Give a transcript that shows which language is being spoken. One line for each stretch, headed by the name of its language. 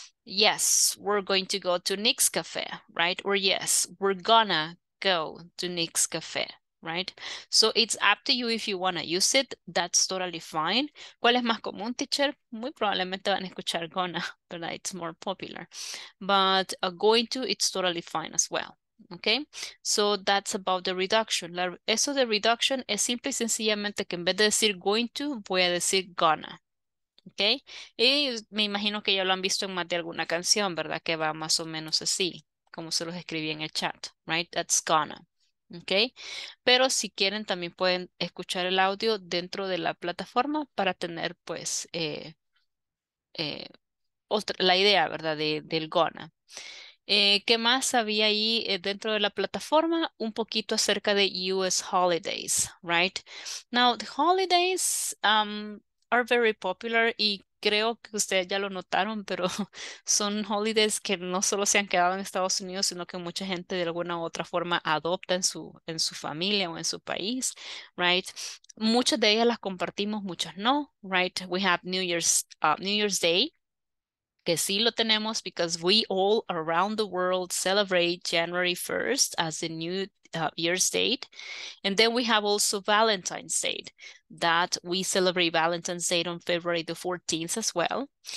English: Yes, we're going to go to Nick's Cafe, right? Or yes, we're going to go to Nick's Cafe, right? So it's up to you if you want to use it. That's totally fine.
Spanish: ¿Cuál es más común, teacher? Muy probablemente van a escuchar gonna,
English: but it's more popular. But going to, it's totally fine as well. Okay, so that's about the reduction.
Spanish: Eso de reduction es simple y sencillamente que en vez de decir going to, voy a decir gonna. Okay, y me imagino que ya lo han visto en más de alguna canción, ¿verdad? Que va más o menos así, como se los escribí en el chat, right?
English: That's gonna.
Spanish: Okay, pero si quieren también pueden escuchar el audio dentro de la plataforma para tener pues otra, la idea, ¿verdad? Del gonna. ¿Qué más había ahí dentro de la plataforma? Un poquito acerca de US holidays, right?
English: Now, the holidays are very popular
Spanish: y creo que ustedes ya lo notaron, pero son holidays que no solo se han quedado en Estados Unidos, sino que mucha gente de alguna u otra forma adopta en su familia o en su país, right? Muchas de ellas las compartimos, muchas no, right?
English: We have New Year's Day.
Spanish: Que sí lo tenemos
English: because we all around the world celebrate January 1st as the New Year's date. And then we have also Valentine's Day, that we celebrate Valentine's Day on February the 14th as well.